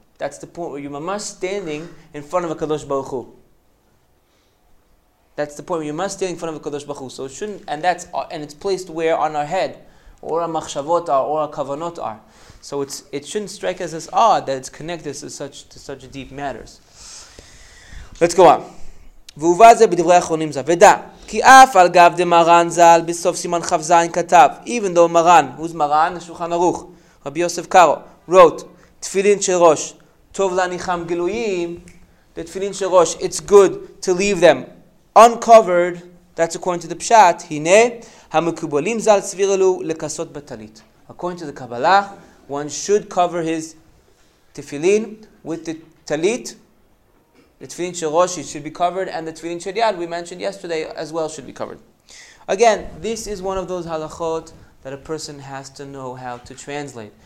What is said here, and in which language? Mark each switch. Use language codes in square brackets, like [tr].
[en] That's the point where you're mamash standing in front of a Kadosh Baruch Hu. That's the point where you're mamash standing in front of a Kadosh Baruch Hu. So it shouldn't, and it's placed where? On our head. Or our machshavot are, or our kavanot are. So it shouldn't strike us as odd that it's connected to such deep matters. Let's go on. [he] והובא זה בדברי האחרונים זה. ודע, כי אף על גב דמרן זל בסוף סימן חפזיין כתב, [en] even though [he] מרן, [en] who's [he] מרן? השולחן ערוך, רבי יוסף קארו, [en] wrote, [he] תפילין של ראש, טוב להניחם גלויים, the תפילין של ראש, [en] it's good to leave them uncovered, that's according to the פשט, [he] הנה, המקובלים זל סביר אלו לכסות בתלית. [en] According to the Kabbalah, one should cover his tefillin with the talit. The tefillin shel Rosh should be covered, and the tefillin shel Yad, we mentioned yesterday, as well should be covered. Again, this is one of those halachot that a person has to know how to translate.